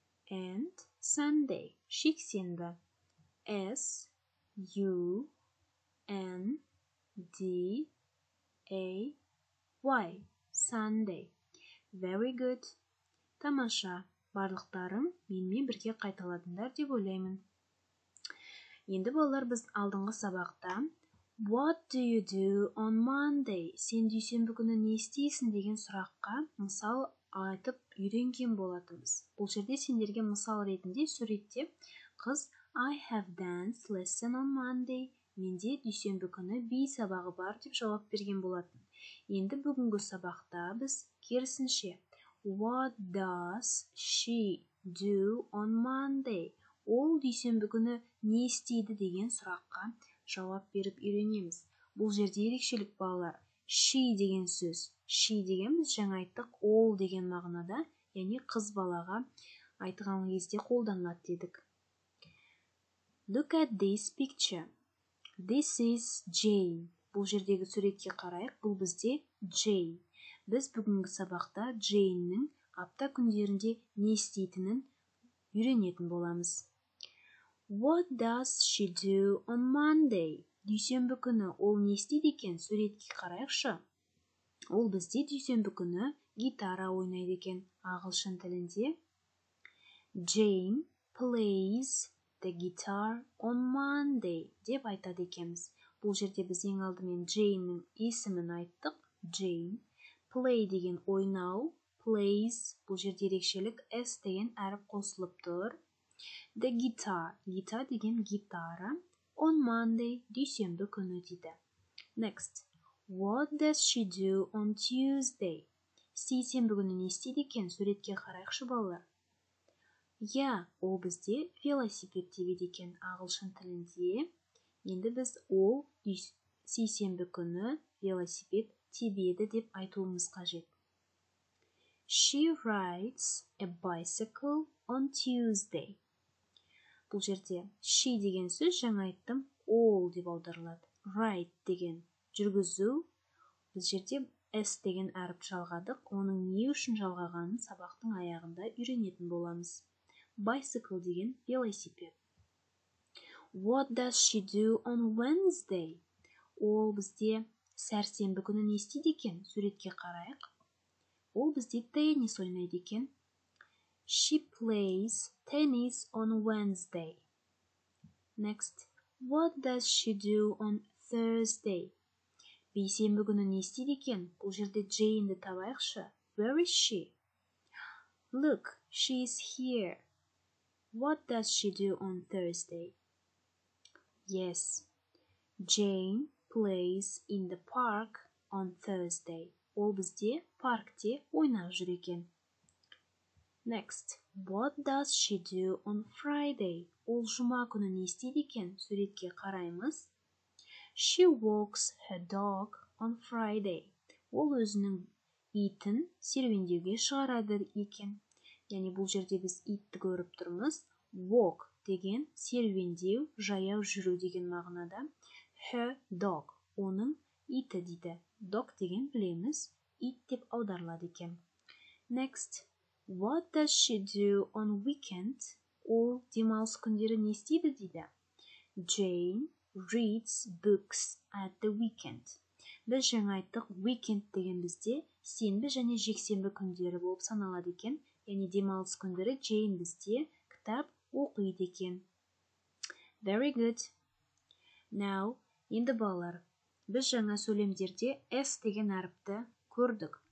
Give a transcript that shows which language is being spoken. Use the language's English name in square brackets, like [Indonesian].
[English] And Sunday. Шиксинда. S U N D A Y Sunday. Very good. Тамаша. [Kazakh] Барлықтарым менімен бірге қайталадыңдар деп ойлаймын. Енді балалар, біз алдыңғы сабақта [English] What do you do on Monday? [Kazakh] Сен дүйсенбі күні не істейсің деген сұраққа мысал айтып үйренген болатынбыз. Бұл жерде сендерге мысал ретінде суретте қыз [English] I have dance lesson on Monday. [Kazakh] Менде дүйсенбі күні би сабағы бар деп жауап берген болатын. Енді бүгінгі сабақта біз керісінше [English] What does she do on Monday? [Kazakh] Ол дүйсенбі күні не істейді деген сұраққа жауап беріп үйренеміз. Бұл жерде ерекшелік балалар. She деген сөз. She дегеніміз жаңа айттық, ол деген мағынада, яғни қыз балаға айтқан кезде қолданылады дедік. [English] Look at this picture. This is Jane. [Kazakh] Бұл жердегі суретке қарайық, бұл бізде Jane. Біз бүгінгі сабақта Джейннің апта күндерінде не істейтінін үйренетін боламыз. [English] What does she do on Monday? [Kazakh] Дүйсенбі күні ол не істейді екен? Суретке қарайықшы. Ол бізде дүйсенбі күні гитара ойнайды екен ағылшын тілінде. [English] Jane plays the guitar on Monday [Kazakh] деп айтады екеміз. Бұл жерде біз ең алдымен Джейннің есімін айттық. [English] Jane. [Kazakh] Play деген ойнау, plays, бұл жерде ерекшелік, S деген әріп қосылып тұр. [English] The guitar, [Kazakh] guitar деген гитара, [English] on Monday, [Kazakh] дүйсенбі күні дейді. [English] Next, what does she do on Tuesday? [Kazakh] Сейсенбі күні не істейді екен, суретке қарайықшы балалар. Yeah, ол бізде велосипед деп екен ағылшын тілінде. Енді біз ол сейсенбі күні велосипед тебеді деп айтуымыз қажет. [English] She rides a bicycle on Tuesday. [Kazakh] Бұл жерде she деген сөз жаңа айттым, ол деп аударылады. Ride деген жүргізу. Бұл жерде S деген әріп жалғадық. Оның не үшін жалғағанын сабақтың аяғында үйренетін боламыз. Bicycle деген велосипед. [English] What does she do on Wednesday? [Kazakh] Ол бізде сәрсенбі күні не істейді екен? Суретке қарайық. Ол бізде теннис ойнайды екен. [English] She plays tennis on Wednesday. Next, what does she do on Thursday? [Kazakh] Бейсенбі күні не істейді екен? Бұл жерде Джейнді табайықшы. [English] Where is she? Look, she is here. What does she do on Thursday? Yes, Jane plays in the park on Thursday. [Kazakh] Ол бізде паркте ойнап жүр екен. [English] Next, what does she do on Friday? [Kazakh] Ол жұма күні не істейді екен? Суретке қараймыз. [English] She walks her dog on Friday. [Kazakh] Ол өзінің итін серуендеуге шығарады екен. Яғни бұл жерде біз итті көріп тұрмыз. Walk деген серуендеу, жаяу жүру деген мағынада. [English] Her dog. [Kazakh] Оның иті дейді. Dog деген білеміз, ит деп аударылады екен. [English] Next, what does she do on weekend? [Kazakh] Ол демалыс күндері не істейді дейді? [English] Jane reads books at the weekend. [Kazakh] Біз жаңа айттық, weekend деген бізде сенбі және жексенбі күндері болып саналады екен. Яғни демалыс күндері Jane бізде кітап оқиды екен. [English] Very good. [Kazakh] Now, енді балалар, біз жаңа сөйлемдерде S деген әріпті көрдік.